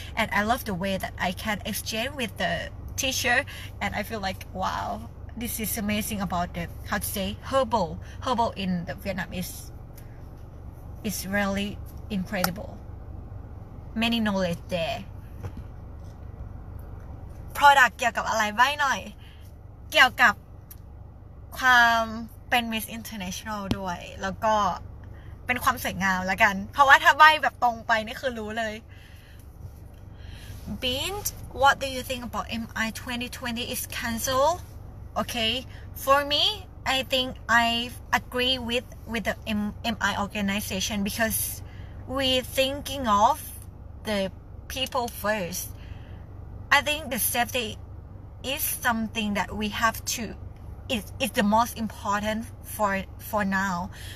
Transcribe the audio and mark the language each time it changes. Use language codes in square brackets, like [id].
[en] And I love the way that I can exchange with the teacher, and I feel like wow, this is amazing about the, how to say, herbal in the Vietnam is really incredible, many knowledge there. [th] Product เกี่ยวกับอะไรใบ้หน่อยเกี่ยวกับความเป็น Miss International ด้วยแล้วก็เป็นความสวยงามละกันเพราะว่าถ้าใบ้แบบตรงไปนี่คือรู้เลย [en] Bin, what do you think about MI 2020 is cancelled? Okay, for me, I think I agree with the MI organization, because we're thinking of the people first. I think the safety is something that we have to is the most important for now.